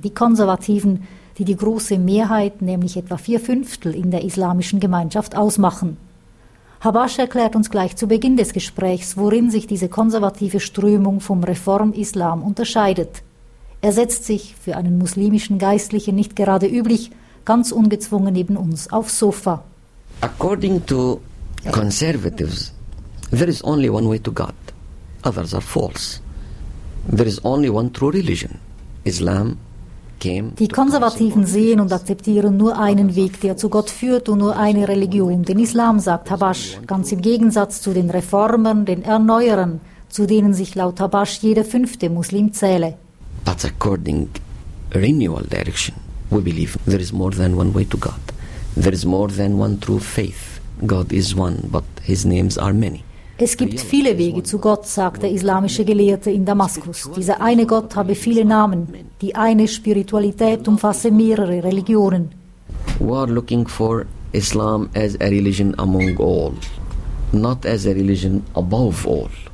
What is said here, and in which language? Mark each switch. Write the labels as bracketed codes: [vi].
[de] Die Konservativen, die die große Mehrheit, nämlich etwa 4/5 in der islamischen Gemeinschaft, ausmachen. Habash erklärt uns gleich zu Beginn des Gesprächs, worin sich diese konservative Strömung vom Reform-Islam unterscheidet. Er setzt sich, für einen muslimischen Geistlichen nicht gerade üblich, ganz ungezwungen neben uns aufs Sofa. [en] According to conservatives, there is only one way to God. Others are false. There is only one true religion. Islam. [de] Die Konservativen sehen und akzeptieren nur einen Weg, der zu Gott führt, und nur eine Religion, den Islam, sagt Habash, ganz im Gegensatz zu den Reformern, den Erneuerern, zu denen sich laut Habash jeder fünfte Muslim zähle. [en] But according renewal direction, we believe there is more than one way to God. There is more than one true faith. God is one, but his names are many. [de] Es gibt viele Wege zu Gott, sagt der islamische Gelehrte in Damaskus. Dieser eine Gott habe viele Namen. Die eine Spiritualität umfasse mehrere Religionen. [en] We are looking for Islam as a religion among all, not as a religion above all.